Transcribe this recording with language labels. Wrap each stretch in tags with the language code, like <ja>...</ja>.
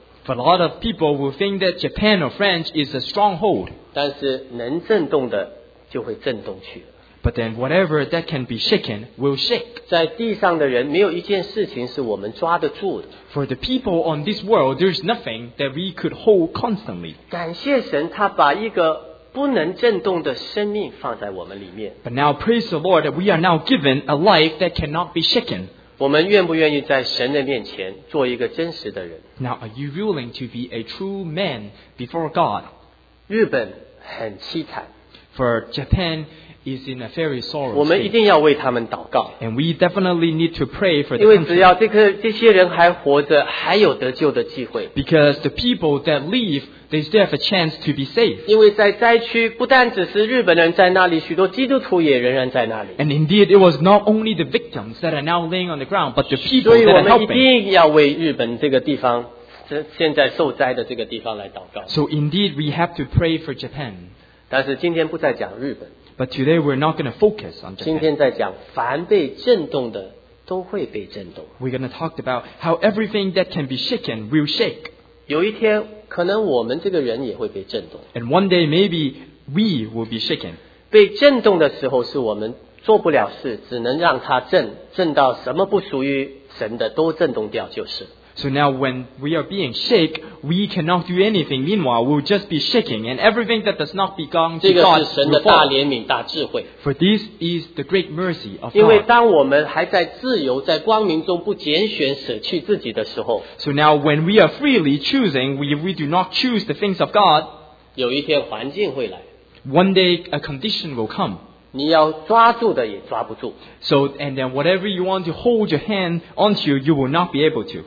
<en>but a lot of people will think that Japan or France is a stronghold.</en> <zh>但是能震动的就会震动去了,</zh> <en>but then whatever that can be shaken will shake.</en> <zh>在地上的人没有一件事情是我们抓得住的,</zh> <en>for the people on this world there is nothing that we could hold constantly.</en> <zh>感谢神他把一个不能震动的生命放在我们里面,</zh> <en>but now praise the Lord that we are now given a life that cannot be shaken.</en> <zh>我们愿不愿意在神的面前做一个真实的人?</zh> <en>Now are you willing to be a true man before God?</en> <zh>日本很凄惨,</zh> <en>for Japan is in a very sorrow.</en> <zh>我们一定要为他们祷告,</zh> <en>and we definitely need to pray for the country.</en> <zh>因为只要这些人还活着, 还有得救的机会,</zh> <en>because the people that live, they still have a chance to be saved.</en> <zh>因为在灾区, 不但只是日本人在那里, 许多基督徒也仍然在那里。</zh> <en>And indeed, it was not only the victims that are now laying on the ground, but the people that are helping.</en> <zh>所以我们一定要为日本这个地方, 现在受灾的这个地方来祷告。</zh> <en>So indeed, we have to pray for Japan.</en> <zh>但是今天不再讲日本,</zh> <en>but today we're not going to focus on Japan.</en> <zh>今天在讲凡被震动的都会被震动。</zh> <en>We're going to talk about how everything that can be shaken will shake.</en> <zh>有一天可能我们这个人也会被震动。</zh> <en>And one day maybe we will be shaken.</en> <zh>被震动的时候是我们做不了事, 只能让它震, 震到什么不属于神的都震动掉就是。</zh> <en>So now when we are being shaken, we cannot do anything. Meanwhile, we'll just be shaking, and everything that does not belong to God will fall. For this is the great mercy of God.</en> <zh>因为当我们还在自由在光明中不拣选舍弃自己的时候,</zh> <en>so now when we are freely choosing, we do not choose the things of God,</en> <zh>有一天环境会来,</zh> <en>one day a condition will come.</en> <zh>你要抓住的也抓不住,</zh> <en>so and then whatever you want to hold your hand onto, you will not be able to.</en>